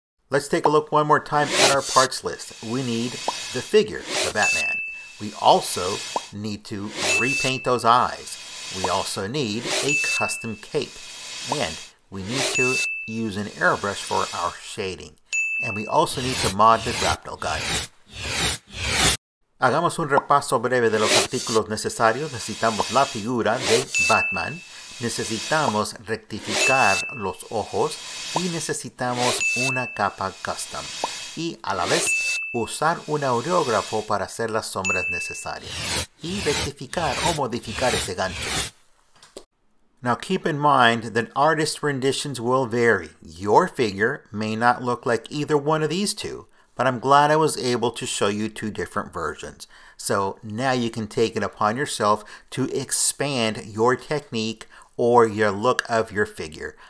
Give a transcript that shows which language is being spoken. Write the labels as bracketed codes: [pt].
[en] Let's take a look one more time at our parts list. We need the figure, the Batman. We also need to repaint those eyes. We also need a custom cape, and we need to use an airbrush for our shading, and we also need to mod the grapnel guy. [es] Hagamos un repaso breve de los artículos necesarios. Necesitamos la figura de Batman, necesitamos rectificar los ojos, y necesitamos una capa custom, y a la vez usar un aerógrafo para hacer las sombras necesarias y rectificar o modificar ese gancho. [en] Now keep in mind that artist renditions will vary. Your figure may not look like either one of these two, but I'm glad I was able to show you two different versions. So now you can take it upon yourself to expand your technique or your look of your figure.